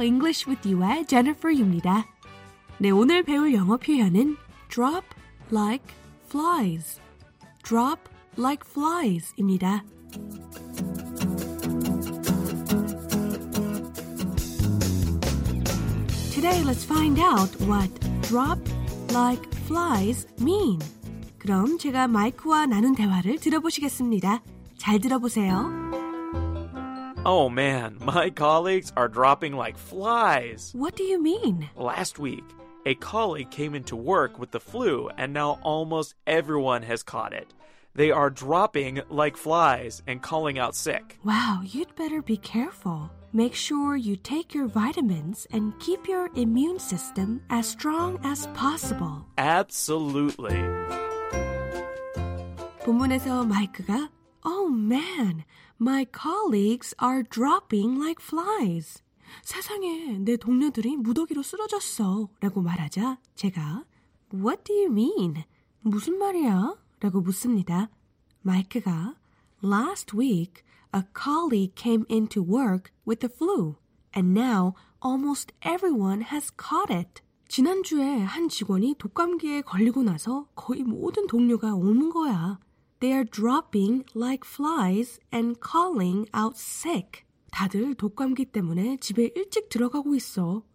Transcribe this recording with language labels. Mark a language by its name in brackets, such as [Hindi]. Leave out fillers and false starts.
[Korean] English with you의 Jennifer 유입니다. 네, 오늘 배울 영어 표현은 drop like flies. [English] drop like flies [Korean] 입니다. 오늘 [English] let's find out what drop like flies mean. [Korean] 그럼 제가 마이크와 나눈 대화를 들어보시겠습니다. 잘 들어보세요. [English] Oh man, my colleagues are dropping like flies. What do you mean? Last week, a colleague came into work with the flu and now almost everyone has caught it. They are dropping like flies and calling out sick. Wow, you'd better be careful. Make sure you take your vitamins and keep your immune system as strong as possible. Absolutely. [Korean] 본문에서 마이크가 [English] Oh man, my colleagues are dropping like flies. [Korean] 세상에, 내 동료들이 무더기로 쓰러졌어. 라고 말하자 제가 [English] What do you mean? [Korean] 무슨 말이야? 라고 묻습니다. [English] 마이크가 Last week, a colleague came into work with the flu. And now, almost everyone has caught it. [Korean] 지난주에 한 직원이 독감기에 걸리고 나서 거의 모든 동료가 옮은 거야. [English] They are dropping like flies and calling out sick. [Korean] 다들 독감기 때문에 집에 일찍 들어가고 있어.